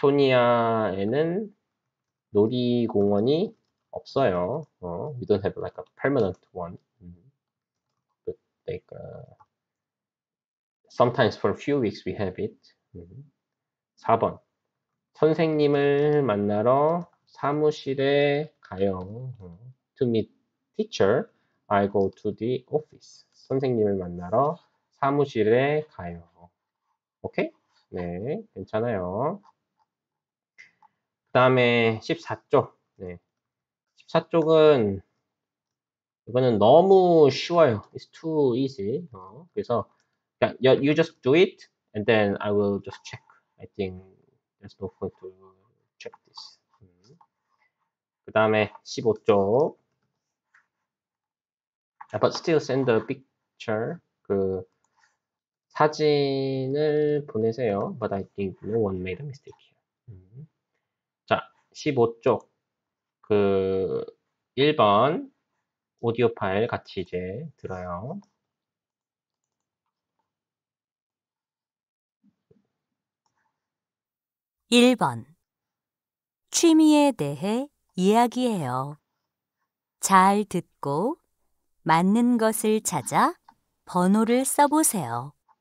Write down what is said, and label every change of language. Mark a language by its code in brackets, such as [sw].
[ko] 에스토니아에는 놀이공원이 없어요. [en] We don't have like a permanent one. Like sometimes for a few weeks we have it. 4번. [ko] 선생님을 만나러 사무실에 가요. [en] To meet teacher, I go to the office. [ko] 선생님을 만나러 사무실에 가요. 오케이? 네, 괜찮아요. 그 다음에 14쪽. 네. 14쪽은 이거는 너무 쉬워요. [en] It's too easy. 그래서 you just do it and then I will just check. I think there's no point to check this. [ko] 그 다음에 15쪽. [en] But still send the picture. [ko] 그 사진을 보내세요. [en] But I think no one made a mistake here. [ko] 자, 15쪽. 그 1번. 오디오 파일 같이 이제 들어요. 1번. 취미에 대해 이야기해요. 잘 듣고 맞는 것을 찾아 번호를 써보세요.